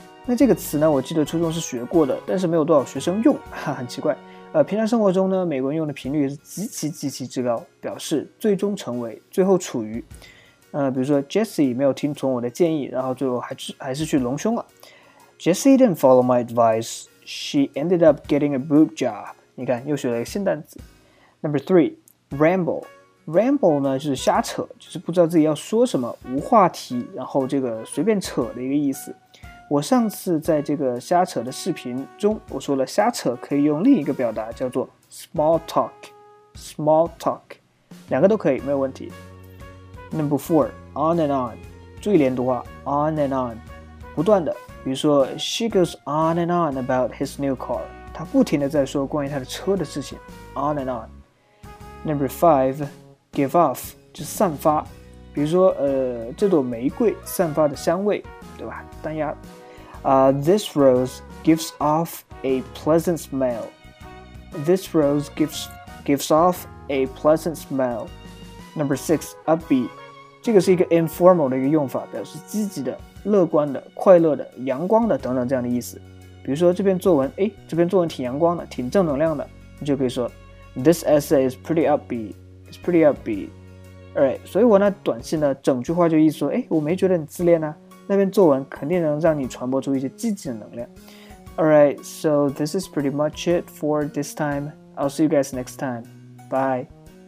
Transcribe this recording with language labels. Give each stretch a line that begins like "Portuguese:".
Chinese: 那这个词呢，我记得初中是学过的，但是没有多少学生用，哈，很奇怪。平常生活中呢，美国人用的频率也是极其极其之高，表示最终成为、最后处于。比如说 ，Jesse 没有听从我的建议，然后最后还是去隆胸了。
English: Jesse didn't follow my advice. She ended up getting a boob job.
Chinese: 你看，又学了一个新单词。
English: Number three, ramble.
Chinese: Ramble 呢，就是瞎扯，就是不知道自己要说什么，无话题，然后这个随便扯的一个意思。我上次在这个瞎扯的视频中，我说了瞎扯可以用另一个表达叫做 small talk， 两个都可以，没有问题。
English: Number four,
Chinese: on and on， 注意连读啊 ，on and on， 不断的。比如说 ，
English: She goes on and on about his new car，
Chinese: 她不停的在说关于她的车的事情 ，on and on。
English: Number five,
Chinese: give off， 就是散发，比如说这朵玫瑰散发的香味，对吧？单押。
English: This rose gives off a pleasant smell. This rose gives off a pleasant smell. Number six, upbeat.
Chinese: 这个是一个 informal 的一个用法，表示积极的、乐观的、快乐的、阳光的等等这样的意思。比如说这篇作文，哎，这篇作文挺阳光的，挺正能量的，你就可以说
English: This essay is pretty upbeat. It's pretty upbeat. All right.
Chinese: 所以我那短信呢，整句话就意思说，哎，我没觉得你自恋啊。那篇作文肯定能让你传播出一些积极的能量。
English: Alright, so this is pretty much it for this time. I'll see you guys next time. Bye.